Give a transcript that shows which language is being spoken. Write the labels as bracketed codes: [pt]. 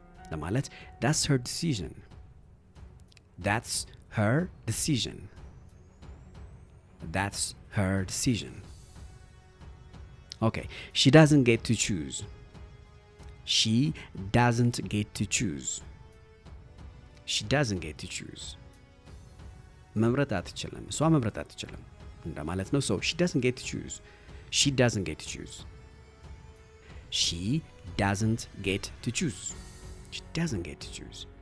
[en] Lamalet, that's her decision. That's her decision. That's her decision. Okay, she doesn't get to choose. She doesn't get to choose. She doesn't get to choose. [am] መምረጥ አትችልም እሷ መምረጥ አትችልም እንደማለት ነው። [en] So she doesn't get to choose. She doesn't get to choose. She doesn't get to choose. She doesn't get to choose.